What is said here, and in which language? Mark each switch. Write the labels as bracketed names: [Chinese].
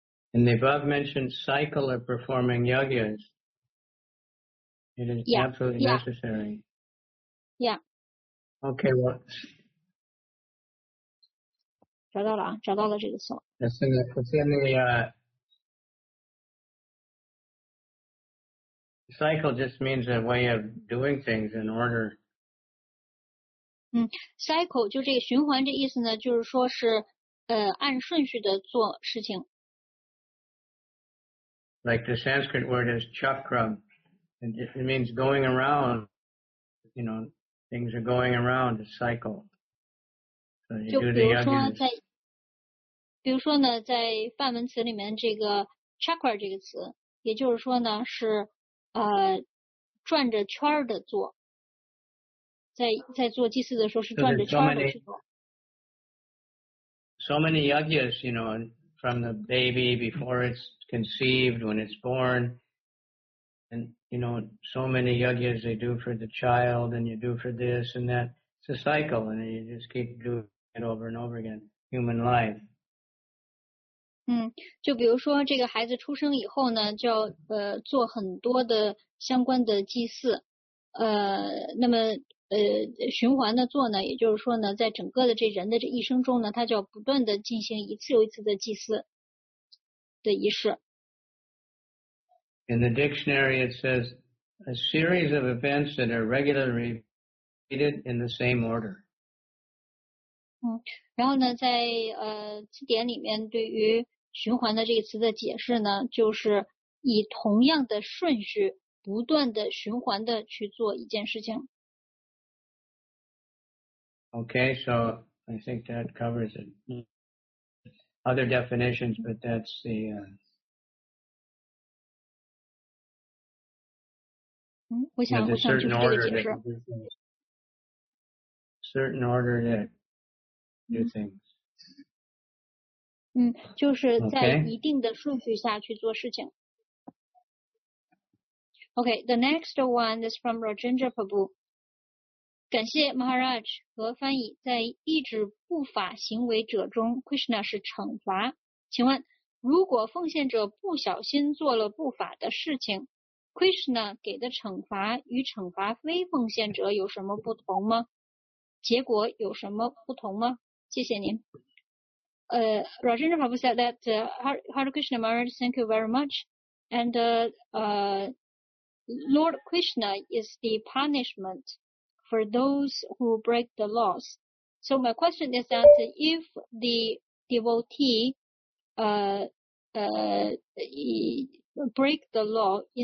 [English] In the above mentioned cycle of performing yagyas, it is absolutely necessary. Yeah. Okay, well. [Chinese] 找到了啊，找到了这个词。 [English] It's in the cycle just means a way of doing things in order. [Chinese] Cycle 就这个循环这意思呢，就是说是按顺序的做事情。 [English] Like the Sanskrit word is chakra, and it means going around, you know, things are going around, a cycle. So you do the yagyas. [Chinese] 比如说呢，在梵文词里面这个 chakra 这个词，也就是说呢是转着圈的做，在做祭祀的时候是转着圈的去做。 [English] So many yagyas, you know, from the baby before it's conceived, when it's born, and you know, so many yagyas they do for the child, and you do for this and that. It's a cycle, and you just keep doing it over and over again. Human life. [Chinese] 就比如说这个孩子出生以后呢，就要做很多的相关的祭祀，那么循环的做呢，也就是说呢，在整个的这人的这一生中呢，他就要不断的进行一次又一次的祭祀。 [English] In the dictionary, it says a series of events that are regularly repeated in the same order. [Chinese] 然后呢，在词典里面对于循环的这个词的解释呢，就是以同样的顺序不断的循环的去做一件事情。 [English] Okay, so I think that covers it. Other definitions, but that's the. [Chinese] 我想就是这个解释。 [English] Certain order that do things. [Chinese] 就是在一定的顺序下去做事情。 [English] Okay, the next one is from Rajendra Prabhu. [Chinese] 感谢 Maharaj 和翻译，在意志不法行为者中 ，Krishna 是惩罚。请问，如果奉献者不小心做了不法的事情 ，Krishna 给的惩罚与惩罚非奉献者有什么不同吗？结果有什么不同吗？谢谢您。 [English] Rajendra Prabhu said that Hare Krishna Maharaj, thank you very much. And Lord Krishna is the punishment for those who break the laws. So my question is that if the devotee break the law